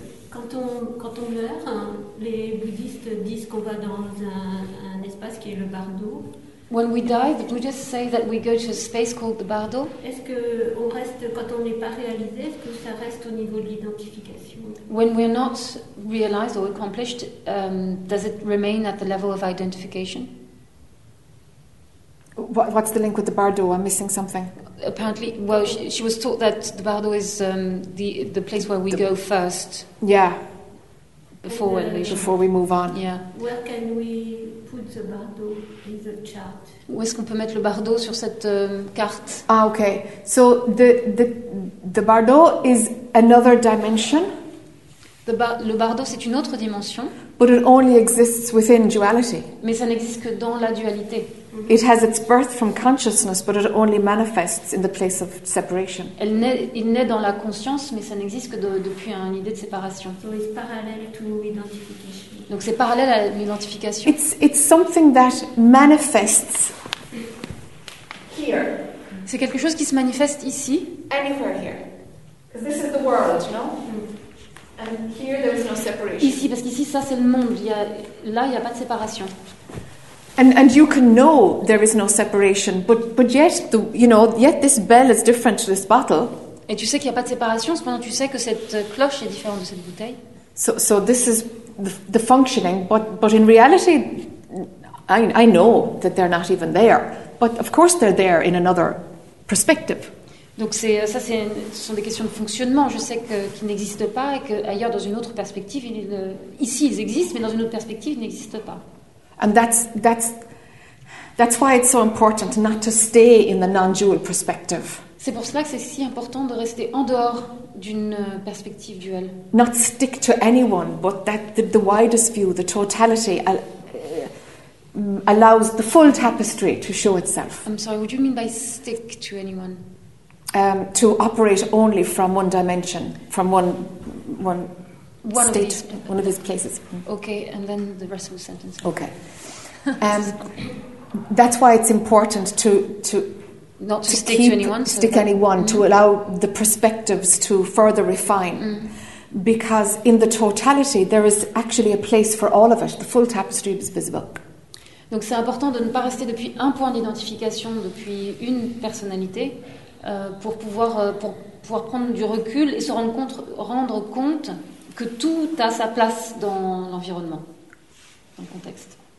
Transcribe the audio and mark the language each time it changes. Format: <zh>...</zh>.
<fr>Quand on meurt, hein, les bouddhistes disent qu'on va dans un espace qui est le bardo.</fr> <en>When we die, the Buddhists say that we go to a space called the bardo.</en> <fr>Est-ce que on reste quand on n'est pas réalisé? Est-ce que ça reste au niveau de l'identification?</fr> <en>When we're not realized or accomplished, does it remain at the level of identification? What's the link with the bardo? I'm missing something. Apparently, well, she was taught that the bardo is the place where we go first. Yeah. Before before we move on. Yeah. Where can we put the bardo in the chart?</en> <fr>Où est-ce qu'on peut mettre le bardo sur cette carte?</fr> <en>Ah, okay. So the bardo is another dimension.</en> <fr>Le bardo, c'est une autre dimension.</fr> <en>But it only exists within duality.</en> <fr>Mais ça n'existe que dans la dualité.</fr> <en>It has its birth from consciousness, but it only manifests in the place of separation.</en> <fr>Il naît dans la conscience, mais ça n'existe que depuis une idée de séparation.</fr> <en>So it's parallel to identification.</en> <fr>Donc c'est parallèle à l'identification.</fr> <en>It's something that manifests here.</en> <fr>C'est quelque chose qui se manifeste ici.</fr> <en>Anywhere here, because this is the world, no? And here there is no separation.</en> <fr>Ici, parce qu'ici ça c'est le monde. Il y a pas de séparation.</fr> <en>And you can know there is no separation, but yet the, you know, yet this bell is different to this bottle.</en> <fr>Et tu sais qu'il y a pas de séparation, cependant tu sais que cette cloche est différente de cette bouteille.</fr> <en>So this is the functioning, but in reality, I know that they're not even there. But of course they're there in another perspective.</en> <fr>Donc ce sont des questions de fonctionnement. Je sais qu'ils n'existent pas et qu'ailleurs dans une autre perspective, ils existent, mais dans une autre perspective, ils n'existent pas.</fr> <en>And that's why it's so important not to stay in the non-dual perspective.</en> <fr>C'est pour cela que c'est si important de rester en dehors d'une perspective duale.</fr> <en>Not stick to anyone, but that the widest view, the totality, allows the full tapestry to show itself. I'm sorry. What do you mean by stick to anyone? To operate only from one dimension, from one. One state, of these, one of his places. Okay, and then the rest of the sentence. Okay. that's why it's important to not to stick keep, to anyone. So stick anyone, mm-hmm. to allow the perspectives to further refine. Mm. Because in the totality, there is actually a place for all of it. The full tapestry is visible.</en> <fr>Donc c'est important de ne pas rester depuis un point d'identification, depuis une personnalité, pour pouvoir prendre du recul et se rendre compte... que tout a sa place dans l'environnement, dans le contexte.</fr>